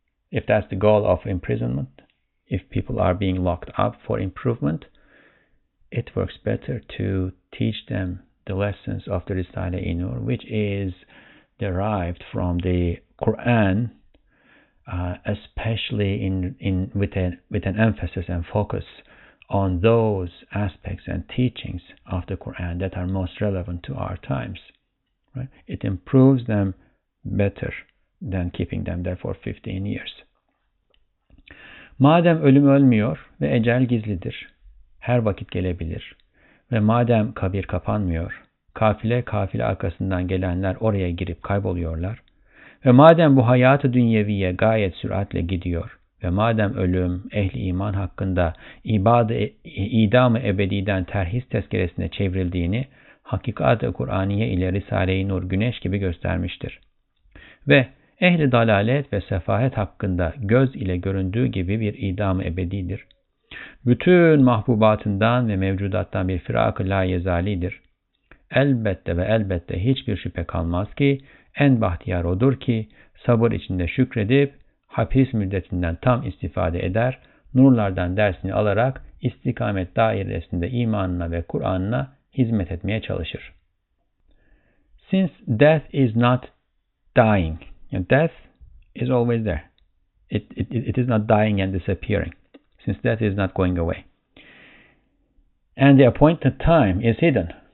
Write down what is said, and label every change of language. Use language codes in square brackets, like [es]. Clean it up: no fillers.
[en] If that's the goal of imprisonment, if people are being locked up for improvement, it works better to teach them the lessons of the Risale-i Nur, which is derived from the Quran, especially with an emphasis and focus on those aspects and teachings of the Quran that are most relevant to our times. Right? It improves them better than keeping them there for 15 years. [tr] Madem ölüm ölmüyor ve ecel gizlidir, her vakit gelebilir ve madem kabir kapanmıyor, kafile kafile arkasından gelenler oraya girip kayboluyorlar ve madem bu hayatı dünyeviye gayet süratle gidiyor ve madem ölüm ehli iman hakkında idam-ı ebediden terhis tezkeresine çevrildiğini hakikat-ı Kur'aniye ile Risale-i Nur güneş gibi göstermiştir ve ehli dalalet ve sefahet hakkında göz ile göründüğü gibi bir idam-ı ebedidir, bütün mahbubatından ve mevcudattan bir firak-ı la yezalidir. Elbette ve elbette hiçbir şüphe kalmaz ki, en bahtiyar odur ki, sabır içinde şükredip, hapis müddetinden tam istifade eder, nurlardan dersini alarak, istikamet dairesinde imanına ve Kur'an'ına hizmet etmeye çalışır. [en] Since death is not dying, death is always there. It is not dying and disappearing, since death is not going away. And the appointed time is hidden.